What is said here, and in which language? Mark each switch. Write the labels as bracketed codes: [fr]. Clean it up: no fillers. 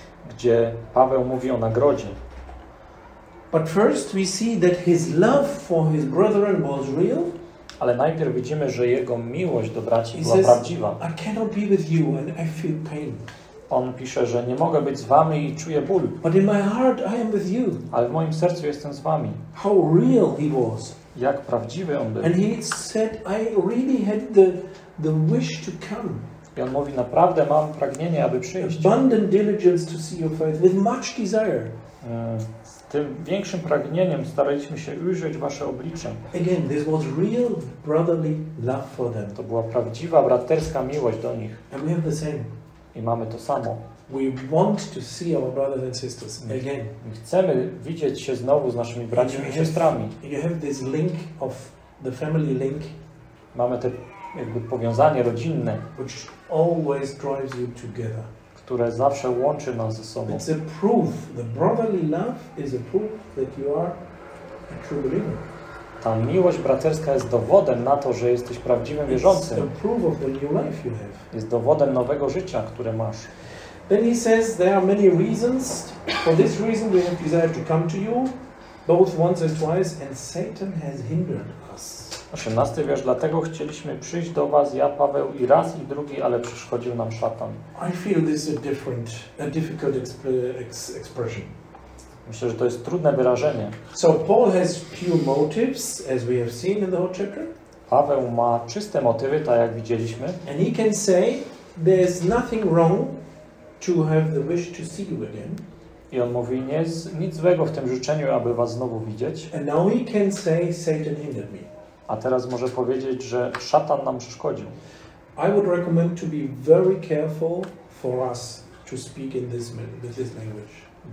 [pl] Gdzie Paweł mówi o nagrodzie. [en] But first we see that his love for his brethren was real. [pl] Ale najpierw widzimy, że jego miłość do braci była prawdziwa. [en] I cannot be with you and I feel pain. [pl] On pisze, że nie mogę być z wami i czuję ból. [en] But in my heart I am with you. [pl] Ale w moim sercu jestem z wami. [en] How real he was. [pl] Jak prawdziwy on był. [en] And he said, I really had the wish to come. [pl] I on mówi, naprawdę mam pragnienie, aby przyjść. [en] Abundant diligence to see your face with much desire. [pl] Z tym większym pragnieniem staraliśmy się ujrzeć wasze oblicze. [en] Again, this was real brotherly love for them. [pl] To była prawdziwa braterska miłość do nich. [en] And we have the same. [pl] I mamy to samo. [en] We want to see our brothers and sisters again. [pl] My chcemy widzieć się znowu z naszymi braćmi i siostrami. [en] You have this link of the family link. [pl] Mamy te jakby powiązanie rodzinne, [en] which always drives you together. [pl] Które zawsze łączy nas ze sobą. [en] It's a proof. The brotherly love is a proof that you are a true believer. [pl] Ta miłość braterska jest dowodem na to, że jesteś prawdziwym wierzącym. [en] It's a proof of the new life you have. [pl] Jest dowodem nowego życia, które masz. [en] Then he says there are many reasons. For this reason we have desired to come to you, both once and twice, and Satan has hindered us. [pl] 18 wiersz, dlatego chcieliśmy przyjść do was, ja, Paweł, i raz, i drugi, ale przeszkodził nam szatan. [en] I feel this is a difficult expression. [pl] Myślę, że to jest trudne wyrażenie. [en] So Paul has pure motives, as we have seen in the whole chapter. [pl] Paweł ma czyste motywy, tak jak widzieliśmy. [en] And he can say, there's nothing wrong to have the wish to see you again. [pl] I on mówi, nie jest nic złego w tym życzeniu, aby was znowu widzieć. [en] And now he can say, Satan hindered me. [pl] A teraz może powiedzieć, że szatan nam przeszkodził. [en] I would recommend to be very careful for us to speak in this language.